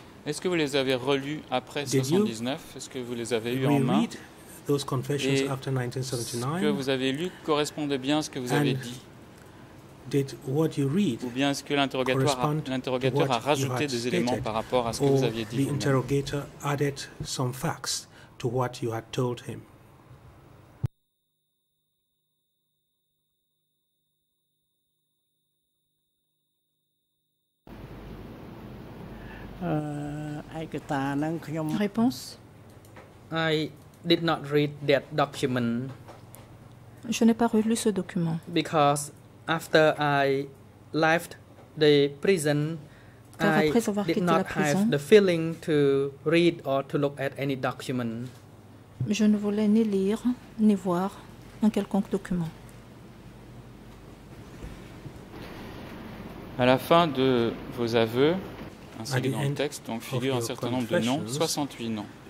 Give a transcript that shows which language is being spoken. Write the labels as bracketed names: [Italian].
[French] Est-ce que vous les avez relus après 1979? Est-ce que vous les avez eus en main? [English] Those confessions [French] et [English] after 1979? [French] Ce que vous avez lu correspondait bien à ce que vous avez dit? [English] Did what you read [French] ou bien est-ce que l'interrogateur a rajouté des éléments par rapport à ce que vous aviez dit? [English] The interrogator added some facts to what you had told him. [French] Réponse. [English] I did not read that document. [French] Je n'ai pas relu ce document. [English] Because after I left the prison, I did not have the feeling to read or to look at any document. [French] Je ne voulais ni lire ni voir un quelconque document. À la fin de vos aveux, ainsi que dans le texte, donc figure un certain nombre de noms, 68 noms.